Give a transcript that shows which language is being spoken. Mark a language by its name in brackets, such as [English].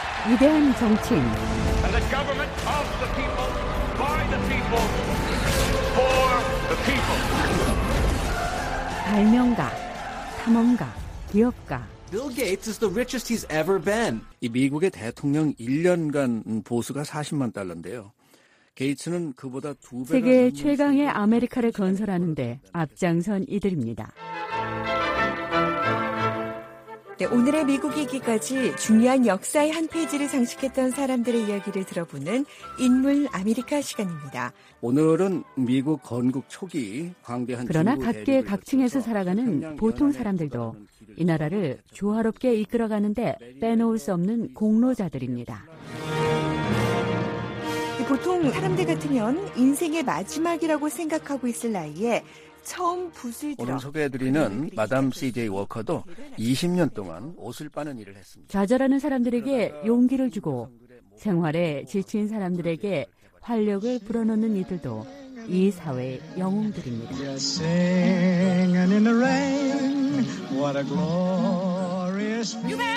[Korean] 위대한 정치인, 발명가, 탐험가, 기업가. [English] Bill Gates is the richest he's ever been. [Korean] 이 미국의 대통령 1년간 보수가 40만 달러인데요. 게이츠는 그보다 두 배가 세계 최강의 아메리카를 건설하는데 앞장선 이들입니다. 네, 오늘의 미국이기까지 중요한 역사의 한 페이지를 장식했던 사람들의 이야기를 들어보는 인물 아메리카 시간입니다. 오늘은 미국 건국 초기 광대한 그러나 각계 각층에서 살아가는 보통 사람들도 이 나라를 조화롭게 이끌어가는데 빼놓을 수 없는 공로자들입니다. 보통 사람들 같으면 인생의 마지막이라고 생각하고 있을 나이에 처음 붓을 들어 오늘 소개해드리는 마담 CJ 워커도 20년 동안 옷을 빠는 일을 했습니다. 좌절하는 사람들에게 용기를 주고 생활에 지친 사람들에게 활력을 불어넣는 이들도 이 사회의 영웅들입니다. [English] Singing in the rain, what a glorious thing.